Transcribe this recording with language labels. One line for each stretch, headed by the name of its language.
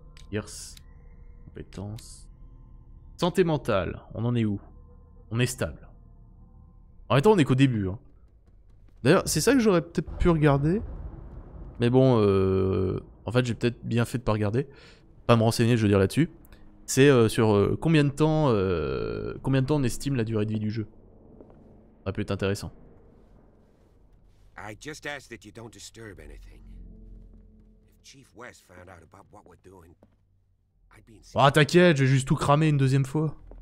French: Pierce, compétence, santé mentale, on en est où? On est stable. En même temps, on est qu'au début. Hein. D'ailleurs, c'est ça que j'aurais peut-être pu regarder. Mais bon, en fait, j'ai peut-être bien fait de pas regarder. Pas me renseigner, je veux dire, là-dessus. C'est sur combien de temps on estime la durée de vie du jeu. Ça aurait pu être intéressant.
English: I just ask that you don't disturb anything. Chief West found out about what we're doing. I'd be insane.
French: Oh, t'inquiète, je vais juste tout cramer une deuxième fois.